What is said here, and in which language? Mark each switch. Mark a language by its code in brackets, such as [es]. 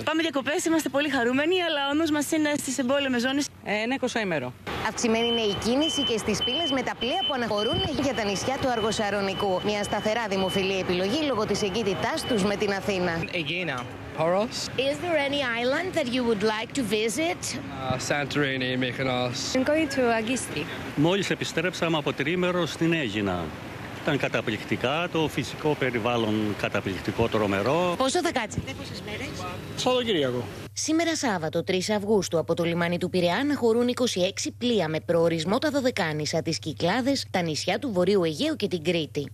[el] Πάμε διακοπές, είμαστε πολύ χαρούμενοι, αλλά ο νους μας είναι στις εμπόλεμες ζώνες. Ένα 20 ημέρο. Αυξημένη είναι η κίνηση και στις πύλες με τα πλοία που αναχωρούν για τα νησιά του Αργοσαρονικού. Μια σταθερά δημοφιλή επιλογή λόγω της εγκύτητάς τους με την Αθήνα. Αιγίνα. Poros. [en] Is there any island that you would like to visit? Santorini, Mykonos. I'm going to Agisti. [el] Μόλις επιστρέψαμε από τριήμερο στην Αίγινα. Ήταν καταπληκτικά, το φυσικό περιβάλλον καταπληκτικό, τρομερό. Πόσο θα κάτσετε, πόσες μέρες? Σαββατοκύριακο. Σήμερα Σάββατο, 3 Αυγούστου, από το λιμάνι του Πειραιά αναχωρούν 26 πλοία με προορισμό τα Δωδεκάνησα, τις Κυκλάδες, τα νησιά του Βορείου Αιγαίου και την Κρήτη.